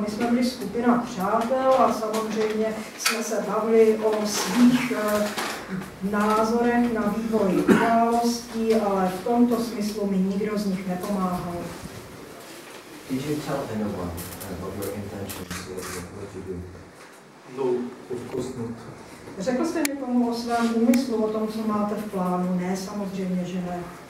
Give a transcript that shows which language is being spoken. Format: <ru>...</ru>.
<cs>My jsme byli skupina přátel a samozřejmě jsme se bavili o svých názorech na vývoj událostí, ale v tomto smyslu mi nikdo z nich nepomáhal.</cs> <en>Did you tell anyone about your intentions, what you do? No, of course not.</en> <cs>Řekl jste někomu o svém úmyslu, o tom, co máte v plánu? Ne, samozřejmě, že ne.</cs>